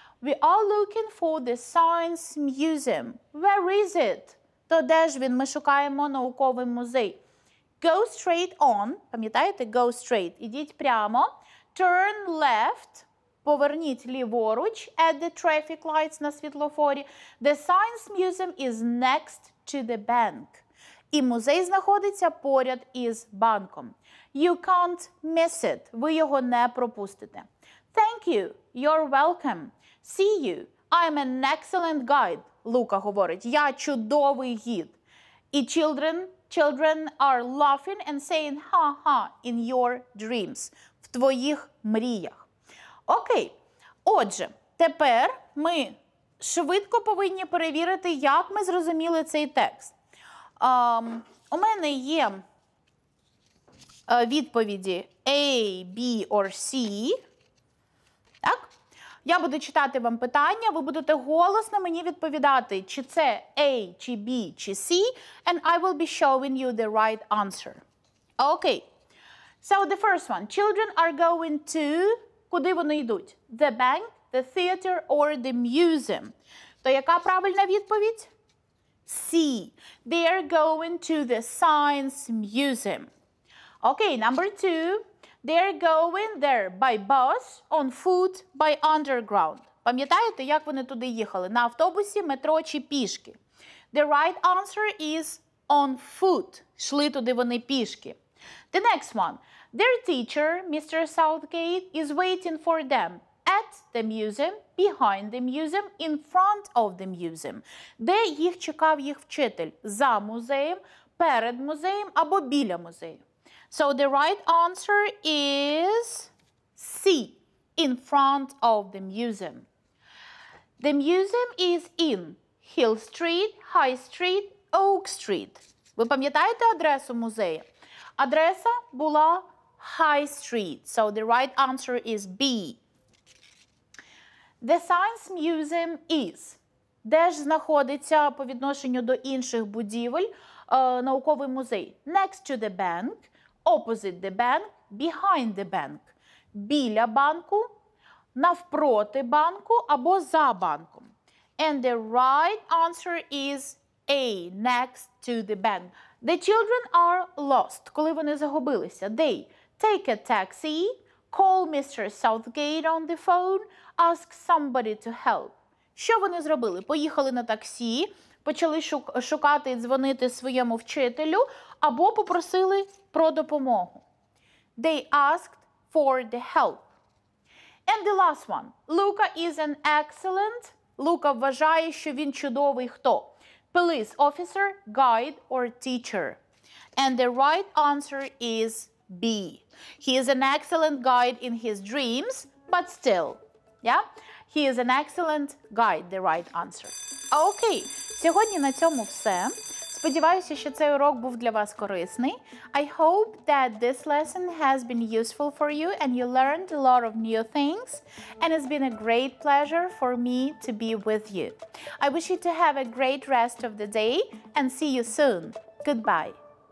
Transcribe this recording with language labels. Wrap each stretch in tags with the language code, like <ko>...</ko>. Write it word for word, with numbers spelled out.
<en>We are looking for the Science Museum. Where is it?</en> <uk>То де ж він? Ми шукаємо науковий музей.</uk> <en>Go straight on.</en> <uk>Пам'ятаєте?</uk> <en>Go straight.</en> <uk>Ідіть прямо.</uk> <en>Turn left.</en> <uk>Поверніть ліворуч</uk> <en>at the traffic lights</en> <uk>на світлофорі.</uk> <en>The Science Museum is next to the bank.</en> <uk>І музей знаходиться поряд із банком.</uk> <en>You can't miss it.</en> <uk>Ви його не пропустите.</uk> <en>Thank you. You're welcome. See you. I'm an excellent guide.</en> <uk>Лука говорить, я чудовий гід.</uk> <en>І children, children are laughing and saying ha-ha in your dreams.</en> <uk>В твоїх мріях. Окей, отже, тепер ми швидко повинні перевірити, як ми зрозуміли цей текст. Um, у мене є uh, відповіді A, B or C. Так? Я буду читати вам питання, ви будете голосно мені відповідати, чи це A, чи B, чи C,</uk> <en>and I will be showing you the right answer. Окей. So the first one. Children are going to...</en> <uk>Куди вони йдуть?</uk> <en>The bank, the theater or the museum.</en> <uk>То яка правильна відповідь?</uk> <en>C. They are going to the Science Museum. Okay, number two. They are going there by bus, on foot, by underground.</en> <uk>Пам'ятаєте, як вони туди їхали? На автобусі, метро чи пішки?</uk> <en>The right answer is on foot.</en> <uk>Шли туди вони пішки.</uk> <en>The next one. Their teacher, mister Southgate, is waiting for them at the museum, behind the museum, in front of the museum.</en> <uk>Де їх чекав їх вчитель? За музеєм, перед музеєм або біля музею.</uk> <en>So the right answer is C, in front of the museum. The museum is in Hill Street, High Street, Oak Street.</en> <uk>Ви пам'ятаєте адресу музею? Адреса була</uk> <en>High Street. So the right answer is B. The Science Museum is</en> <uk>Де ж знаходиться по відношенню до інших будівель е, науковий музей?</uk> <en>Next to the bank, opposite the bank, behind the bank.</en> <uk>Біля банку, навпроти банку або за банком.</uk> <en>And the right answer is A, next to the bank. The children are lost.</en> <uk>Коли вони загубилися.</uk> <en>They take a taxi, call mister Southgate on the phone, ask somebody to help.</en> <uk>Що вони зробили? Поїхали на таксі, почали шук- шукати і дзвонити своєму вчителю, або попросили про допомогу.</uk> <en>They asked for the help. And the last one. Luca is an excellent.</en> <uk>Luca вважає, що він чудовий хто?</uk> <en>Police officer, guide or teacher. And the right answer is B. He is an excellent guide in his dreams, but still. Yeah? He is an excellent guide, the right answer.</en> <uk>Окей, сьогодні на цьому все. Сподіваюся, що цей урок був для вас корисний.</uk> <en>I hope that this lesson has been useful for you and you learned a lot of new things. And it's been a great pleasure for me to be with you. I wish you to have a great rest of the day and see you soon. Goodbye.</en>